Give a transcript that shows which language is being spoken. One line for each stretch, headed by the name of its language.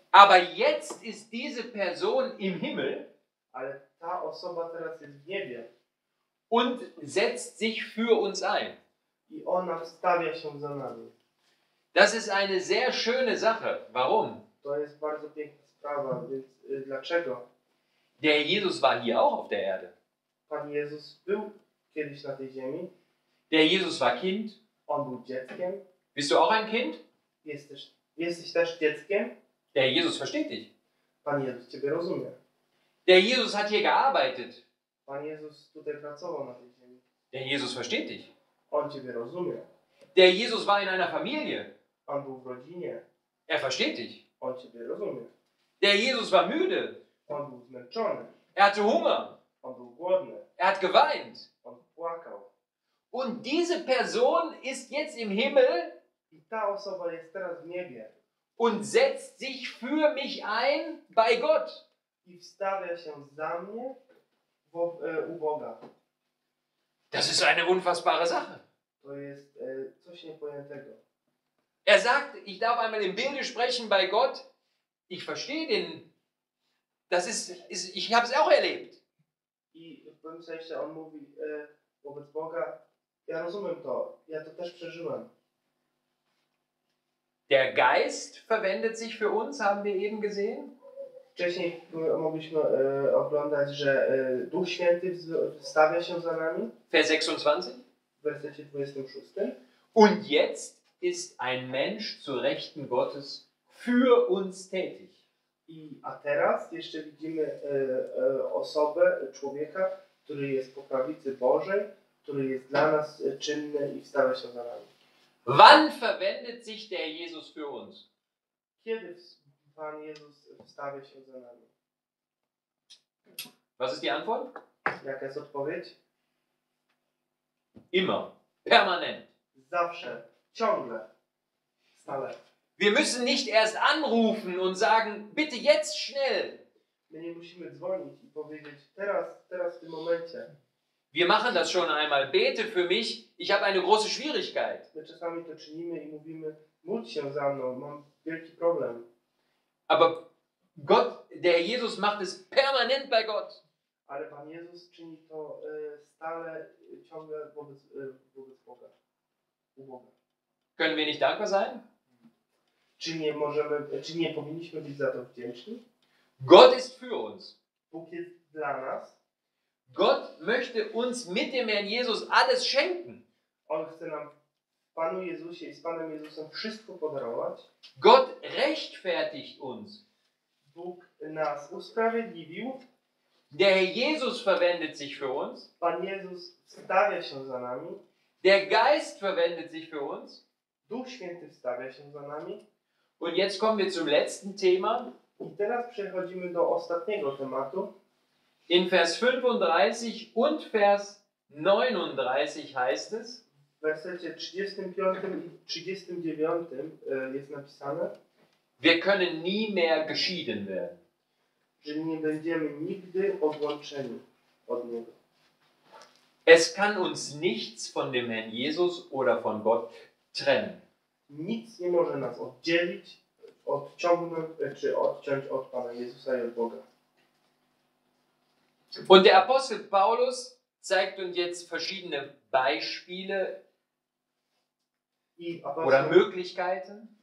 German: Aber jetzt ist diese Person im Himmel.
Polish: Ale ta osoba teraz jest w niebie.
German: Und setzt sich für uns ein.
Polish: I ona wstawia się za nami.
German: Das ist eine sehr schöne Sache. Warum?
Polish: To jest bardzo piękna sprawa. Więc dlaczego?
German: Der Jesus war hier auch auf der Erde.
Polish: Pan Jezus był kiedyś na tej ziemi.
German: Der Jesus war Kind.
Polish: On był dzieckiem.
German: Bist du auch ein Kind?
Polish: Jesteś też dzieckiem?
German: Der Jesus versteht dich.
Polish: Pan Jezus ciebie rozumie.
German: Der Jesus hat hier gearbeitet.
Polish: Pan Jezus tutaj pracował na tej ziemi.
German: Der Jesus versteht dich.
Polish: On ciebie rozumie.
German: Der Jesus war in einer Familie.
Polish: On był w rodzinie.
German: Er versteht dich.
Polish: On ciebie rozumie.
German: Der Jesus war müde.
Polish: On był zmęczony.
German: Er hatte Hunger.
Polish: On był głodny.
German: Er hat geweint.
Polish: On płakał.
German: Und diese Person ist jetzt im Himmel.
Polish: I ta osoba jest teraz w niebie.
German: Und setzt sich für mich ein bei Gott.
Polish: I wstawia się za mnie u Boga.
German: Das ist eine unfassbare Sache.
Polish: To jest coś niepojętego.
German: Er sagt, ich darf einmal im Bilde sprechen bei Gott. Ich verstehe den. Das ist ich habe es auch erlebt.
Polish: I w pewnym sensie on mówi wobec Boga, ja rozumiem to, ja to też przeżyłem.
German: Der Geist verwendet sich für uns, haben wir eben gesehen.
Polish: Wcześniej mogliśmy oglądać, że Duch Święty stawia się za nami.
German: Vers 26.
Polish: W wersecie 26.
German: Und jetzt ist ein Mensch zu Rechten Gottes für uns tätig.
Polish: I, a teraz jeszcze widzimy osobę, człowieka, który jest po prawicy Bożej, który jest dla nas czynny i stawia się za nami.
German: Wann verwendet sich der Jesus für uns?
Polish: Kiedy Pan Jezus stawia się za nami?
German: Was ist die Antwort?
Polish: Jaka jest odpowiedź?
German: Immer. Permanent.
Polish: Zawsze. Ciągle. Stale.
German: Wir müssen nicht erst anrufen und sagen, bitte jetzt schnell.
Polish: My nie musimy dzwonić i powiedzieć, teraz, teraz w tym momencie.
German: Wir machen das schon einmal. Bete für mich. Ich habe eine große Schwierigkeit.
Polish: My czasami to czynimy i mówimy, módl się za mną, mam wielki problem.
German: Aber Gott, der Jesus macht es permanent bei Gott.
Polish: Ale Pan Jezus czyni to stale, ciągle wobec, wobec Boga. U Boga.
German: Können wir nicht dankbar sein?
Polish: Czy nie możemy, czy nie powinniśmy być za to wdzięczni?
German: Gott ist für uns.
Polish: Bóg jest dla nas.
German: Gott möchte uns mit dem Herrn Jesus alles schenken.
Polish: On chce nam Panu Jezusie i z Panem Jezusem wszystko podarować.
German: Gott rechtfertigt uns.
Polish: Bóg nas usprawiedliwił.
German: Der Herr Jesus verwendet sich für uns.
Polish: Pan Jezus stawia się za nami.
German: Der Geist verwendet sich für uns.
Polish: Duch Święty stawia się za nami.
German: Und jetzt kommen wir zum letzten Thema.
Polish: I teraz przechodzimy do ostatniego tematu.
German: In Vers 35 und Vers 39 heißt es.
Polish: W wersecie 35 i 39 jest napisane.
German: Wir können nie mehr geschieden werden.
Polish: Że nie będziemy nigdy odłączeni od Niego.
German: Es kann uns nichts von dem Herrn Jesus oder von Gott trennen.
Polish: Nic nie może nas oddzielić, odciągnąć, czy odciąć od Pana Jezusa i od Boga.
German: Und der Apostel Paulus zeigt uns jetzt verschiedene Beispiele oder Möglichkeiten.